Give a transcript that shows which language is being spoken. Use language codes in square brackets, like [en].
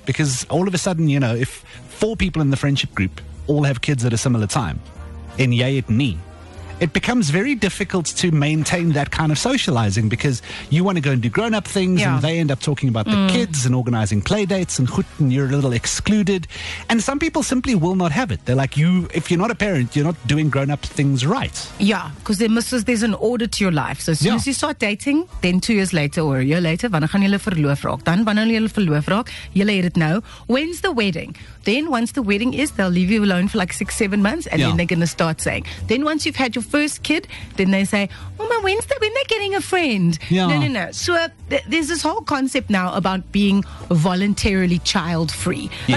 [en] Because all of a sudden, you know, if four people in the friendship group all have kids at a similar time, in yay at knee, it becomes very difficult to maintain that kind of socializing because you want to go and do grown-up things and they end up talking about the kids and organizing play dates and you're a little excluded. And some people simply will not have it. They're like, if you're not a parent, you're not doing grown-up things right. Yeah, because there's an order to your life. So as soon as you start dating, then 2 years later or a year later, [af] wanneer gaan julle verloof raak? Dan wanneer julle verloof raak, julle het dit nou. [en] When's the wedding? Then once the wedding is, they'll leave you alone for like 6-7 months and then they're going to start saying. Then once you've had your first kid, then they say, oh my, when they're getting a friend? Yeah. No. So there's this whole concept now about being voluntarily child-free. Yes.